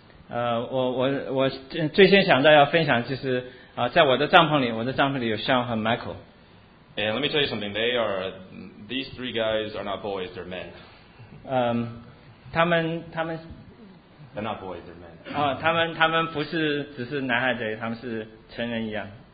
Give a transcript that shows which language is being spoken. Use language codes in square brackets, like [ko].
[zh] 我最先想到要分享就是。在我的帐篷里有Sean和Michael. [en] And let me tell you something. These three guys are not boys, they're men. [zh] 他们。 [en] They're not boys, they're men. [zh] 他们不是只是男孩子，他们是成人一样。